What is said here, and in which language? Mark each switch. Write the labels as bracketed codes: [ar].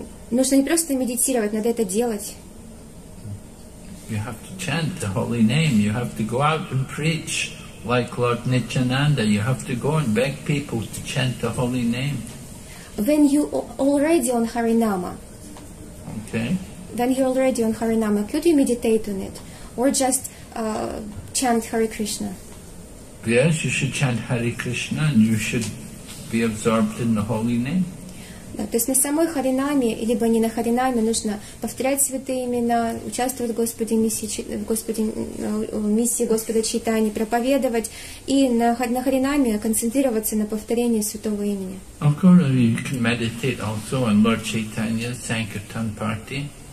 [ru] Нужно не просто медитировать, надо это делать. [en] You have to chant the holy name. You have to go out and preach like Lord Nityananda. You have to go and beg people to chant the holy name. When you already on Harinama. Okay. When you're already on Harinama, could you meditate on it? Or just chant Hare Krishna? Yes, you should chant Hare Krishna and you should be absorbed in the holy name. [ru] Да, то есть на самой Харинаме, либо не на Харинаме, нужно повторять святые имена, участвовать в Господе миссии Господа Чайтаньи, проповедовать, и на Харинаме концентрироваться на повторении святого имени. [en] Of course, you can meditate also on Lord Chaitanya, Sankirtan party.